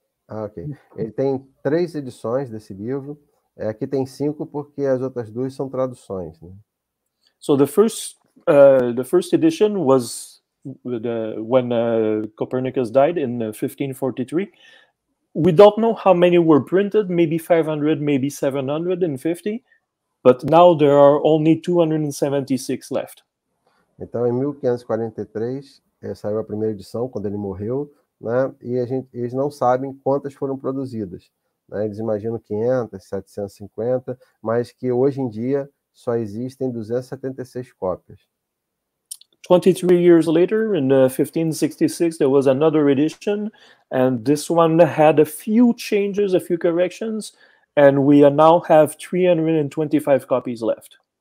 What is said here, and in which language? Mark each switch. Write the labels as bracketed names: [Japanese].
[Portuguese] Ah, okay. Ele tem três edições desse livro. Aqui tem cinco porque as outras duas são traduções, né? [English] So the first edition was when Copernicus died in 1543. We don't know how many were printed, maybe 500, maybe 750, but now there are only 276 left. [Portuguese] Então, em 1543, saiu a primeira edição, quando ele morreu, né? E eles não sabem quantas foram produzidas. Né? Eles imaginam 500, 750, mas que hoje em dia só existem 276 cópias. [English] 23 years later, in 1566, there was another edition, and this one had a few changes, a few corrections, and we now have 325 copies left.